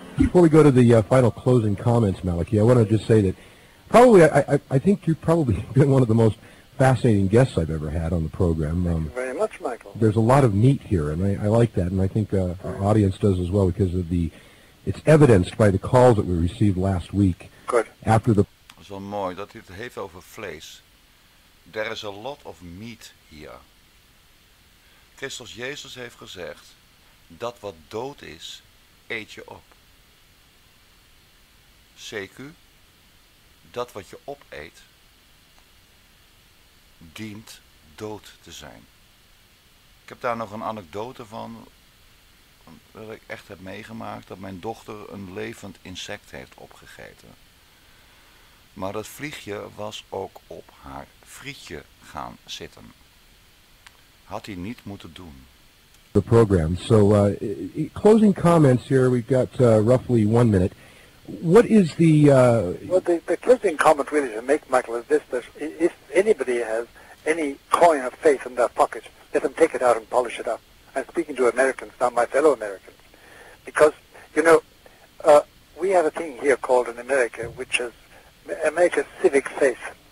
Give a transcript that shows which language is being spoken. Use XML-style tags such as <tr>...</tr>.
<en>Before we go to the final closing comments, Malachi, I want to just say that probably, I think you've probably been one of the most fascinating guests I've ever had on the program. Thank you very much, Michael. There's a lot of meat here, and I like that, and I think our audience does as well because of the. It's evidenced by the calls that we received last week. Good. After the.</en> <nl>Zo mooi dat hij het heeft over vlees.</nl> <en>There is a lot of meat here.</en> <nl>Christus Jezus heeft gezegd: dat wat dood is, eet je op. CQ, dat wat je opeet. Dient dood te zijn. Ik heb daar nog een anekdote van. Dat ik echt heb meegemaakt. Dat mijn dochter een levend insect heeft opgegeten. Maar dat vliegje was ook op haar frietje gaan zitten. Had hij niet moeten doen.</nl> <en>The program. So closing comments here. We've got roughly 1 minute. What is the... The closing comment really to make, Michael, is this. That if anybody has any coin of faith in their pocket, let them take it out and polish it up. I'm speaking to Americans now, my fellow Americans. Because, you know, we have a thing here called in America, which is America's civic faith.</en>